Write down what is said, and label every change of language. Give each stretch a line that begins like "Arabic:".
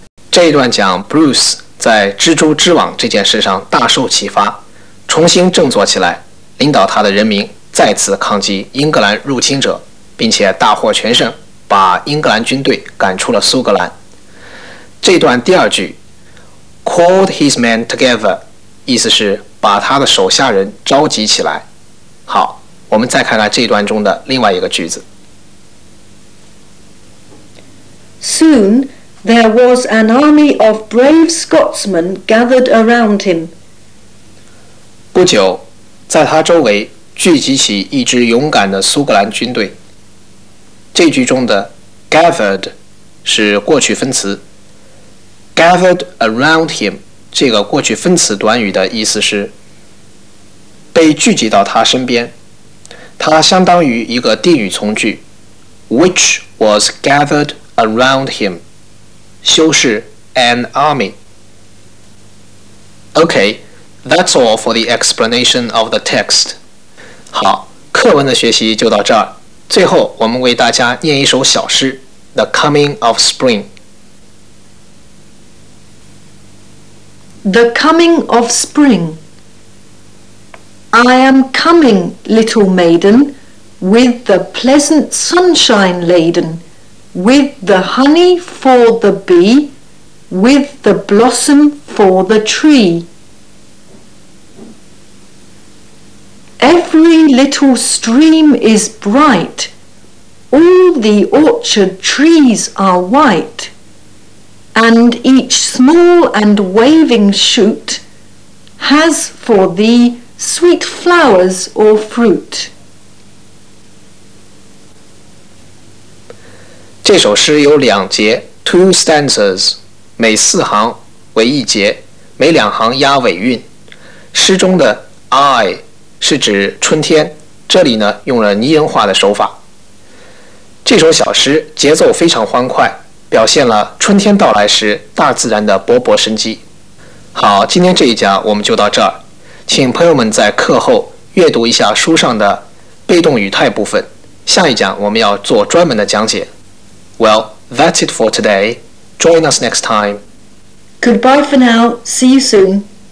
Chinese: 这一段讲 Bruce 在蜘蛛织网这件事上大受启发，重新振作起来，领导他的人民再次抗击英格兰入侵者，并且大获全胜，把英格兰军队赶出了苏格兰。这段第二句
English: called his men together
Chinese: 意思是把他的手下人召集起来。好，我们再看看这段中的另外一个句子。
English: Soon there was an army of brave Scotsmen gathered around him.
Chinese: 不久在他周围聚集起一支勇敢的苏格兰军队。这句中的 gathered 是过去分词，
English: gathered around him
Chinese: 这个过去分词短语的意思是被聚集到他身边，它相当于一个定语从句
English: which was gathered around him，
Chinese: 修饰 an army。
English: OK, that's all for the explanation of the text。
Chinese: 好，课文的学习就到这儿。最后我们为大家念一首小诗，
English: The Coming of Spring。 The Coming of Spring. I am coming, little maiden, with the pleasant sunshine laden, with the honey for the bee, with the blossom for the tree. Every little stream is brightAll the orchard trees are white, and each small and waving shoot has for thee sweet flowers or fruit.
Chinese: 这首诗有两节
English: two stanzas，
Chinese: 每四行为一节，每两行押尾韵。诗中的 I 是指春天，这里呢用了拟人化的手法。这首小诗节奏非常欢快，表现了春天到来时大自然的勃勃生机。好，今天这一讲我们就到这儿，请朋友们在课后阅读一下书上的被动语态部分，下一讲我们要做专门的讲解。
English: Well, that's it for today. Join us next time. Goodbye for now. See you soon.